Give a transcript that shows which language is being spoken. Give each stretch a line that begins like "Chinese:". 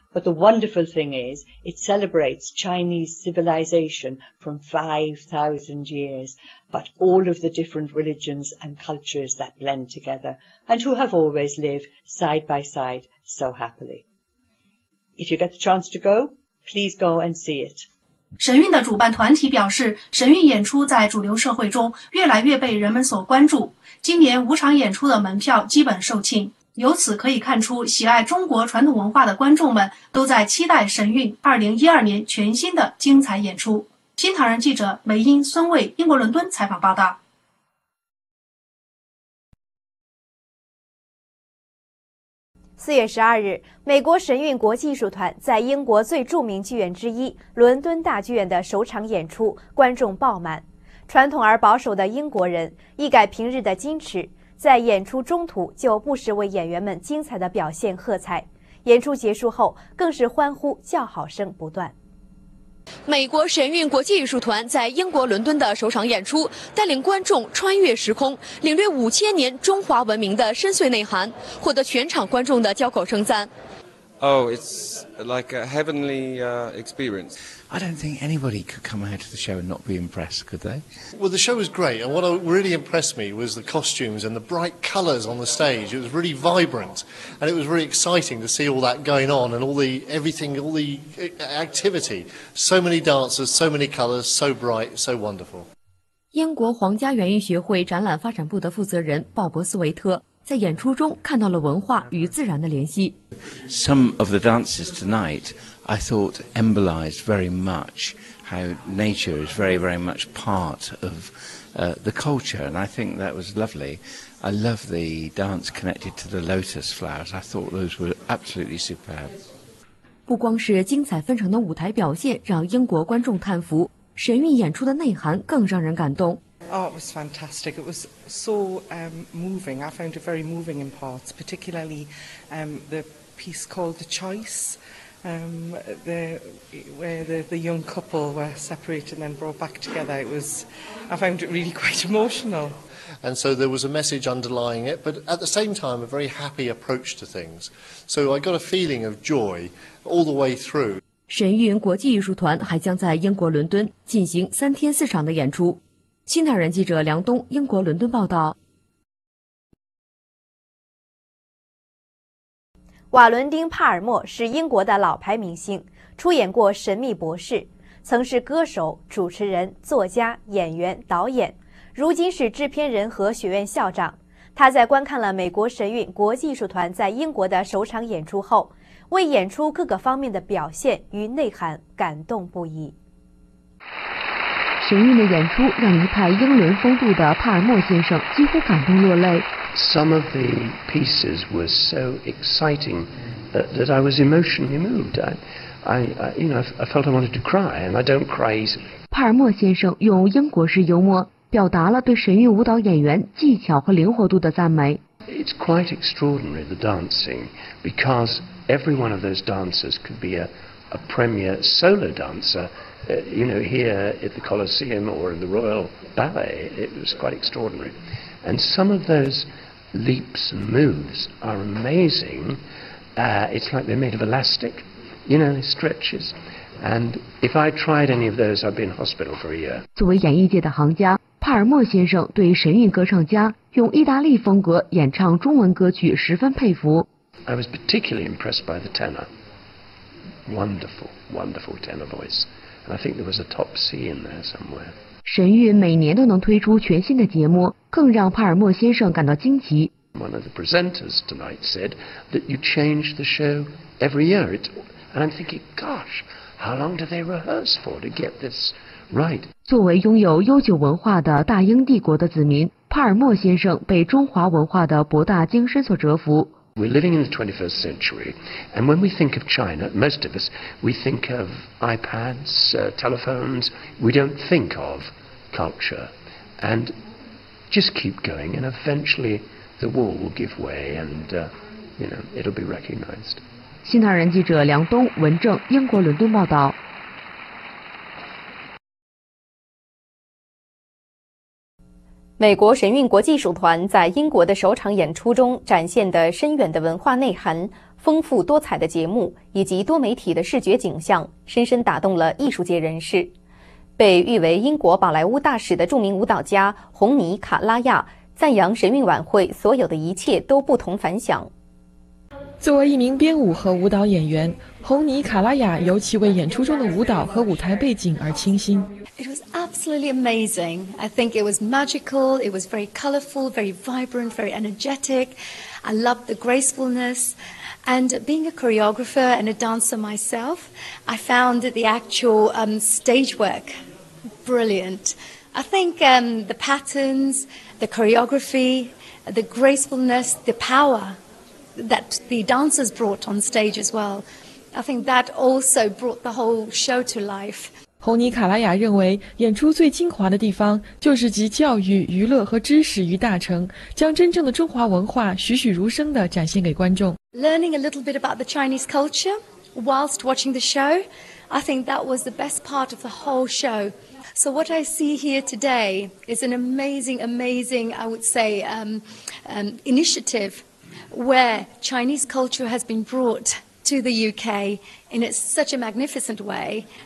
English: But the wonderful thing is, it celebrates Chinese civilization from 5,000 years, but all of the different religions and cultures that blend together and who have always lived side by side so happily. If you get the chance to go, please go and see it.
Chinese: 神韵的主办团体表示，神韵演出在主流社会中越来越被人们所关注，今年五场演出的门票基本售罄，由此可以看出喜爱中国传统文化的观众们都在期待神韵2012年全新的精彩演出。新唐人记者梅英、孙卫，英国伦敦采访报道。 4月12日，美国神韵国际艺术团在英国最著名剧院之一伦敦大剧院的首场演出，观众爆满。传统而保守的英国人一改平日的矜持，在演出中途就不时为演员们精彩的表现喝彩，演出结束后更是欢呼叫好声不断。美国神韵国际艺术团在英国伦敦的首场演出，带领观众穿越时空，领略5000年中华文明的深邃内涵，获得全场观众的交口称赞。
English: Oh, it's like a heavenly experience. I don't think anybody could come out of the show and not be impressed, could they? Well, the show was great, and what really impressed me was the costumes and the bright colours on the stage. It was really vibrant, and it was really exciting to see all that going on and all the activity. So many dancers, so many colours, so bright, so wonderful.
Chinese: 英国皇家园艺学会展览发展部的负责人鲍勃斯维特。在演出中看到了文化与自然的联系。
English: Some of the dances tonight, I thought, embolized very much how nature is very, very much part of the culture, and I think that was lovely. I love the dance connected to the lotus flowers. I thought those were absolutely superb.
Chinese: 不光是精彩纷呈的舞台表现让英国观众叹服，神韵演出的内涵更让人感动。
English: Oh, it was fantastic. It was so moving. I found it very moving in parts, particularly the piece called The Choice, where the young couple were separated and then brought back together. I found it really quite emotional. And so there was a message underlying it, but at the same time, a very happy approach to things. So I got a feeling of joy all the way through.
Chinese: 神韵国际艺术团还将在英国伦敦进行3天4场的演出。新唐人记者梁东，英国伦敦报道。瓦伦丁·帕尔默是英国的老牌明星，出演过《神秘博士》，曾是歌手、主持人、作家、演员、导演，如今是制片人和学院校长。他在观看了美国神韵国际艺术团在英国的首场演出后，为演出各个方面的表现与内涵感动不已。神韵的演出让一派英伦风度的帕尔默先生几乎感动落泪。
English: Some of the pieces were so exciting that I was emotionally moved. I felt I wanted to cry, and I don't cry easily.
Chinese: 帕尔默先生用英国式幽默表达了对神韵舞蹈演员技巧和灵活度的赞美。
English: It's quite extraordinary the dancing, because every one of those dancers could be a premier solo dancer. You know, here at the Colosseum or in the Royal Ballet, it was quite extraordinary. And some of those leaps and moves are amazing. It's like they're made of elastic. You know, it stretches. And if I tried any of those, I'd be in hospital for a year.
Chinese: 作为演艺界的行家，帕尔默先生对神韵歌唱家用意大利风格演唱中文歌曲十分佩服。
English: I was particularly impressed by the tenor. Wonderful, wonderful tenor voice. And I think there was a top C in there somewhere.
Chinese: 神韵每年都能推出全新的节目，更让帕尔默先生感到惊奇。
English: One of the presenters tonight said that you change the show every year. And I'm thinking, gosh, how long do they rehearse for to get this right?
Chinese: 作为拥有悠久文化的大英帝国的子民，帕尔默先生被中华文化的博大精深所折服。
English: We're living in the 21st century, and when we think of China, most of us, we think of iPads, telephones. We don't think of culture. And just keep going, and eventually the wall will give way, and, you know, it'll be recognized.
Chinese: 新唐人记者梁东、文正，英国伦敦报道。美国神韵国际艺术团在英国的首场演出中展现的深远的文化内涵、丰富多彩的节目以及多媒体的视觉景象，深深打动了艺术界人士。被誉为英国宝莱坞大使的著名舞蹈家洪尼·卡拉亚赞扬神韵晚会所有的一切都不同凡响。作为一名编舞和舞蹈演员，洪尼·卡拉亚尤其为演出中的舞蹈和舞台背景而倾心。
English: It was absolutely amazing. I think it was magical. It was very colorful, very vibrant, very energetic. I loved the gracefulness. And being a choreographer and a dancer myself, I found the actual stage work brilliant. I think the patterns, the choreography, the gracefulness, the power that the dancers brought on stage as well, I think that also brought the whole show to life.
Chinese: 洪尼·卡拉雅认为，演出最精华的地方就是集教育、娱乐和知识于大成，将真正的中华文化栩栩如生地展现给观众。
English: Learning a little bit about the Chinese culture whilst watching the show, I think that was the best part of the whole show. So what I see here today is an amazing, amazing, I would say, initiative where Chinese culture has been brought to the UK in such a magnificent way.